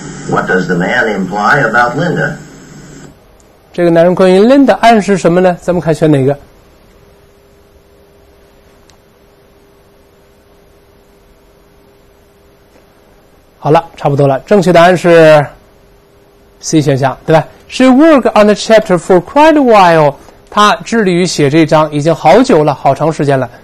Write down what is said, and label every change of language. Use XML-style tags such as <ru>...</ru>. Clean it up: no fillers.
<en>What does the man imply about Linda?</en> <zh>这个男人关于 Linda 暗示什么呢？咱们看选哪个。好了，差不多了，正确答案是C 选项，对吧？</zh> <en>She worked on the chapter for quite a while.</en> <zh>她致力于写这章已经好久了，好长时间了。</zh>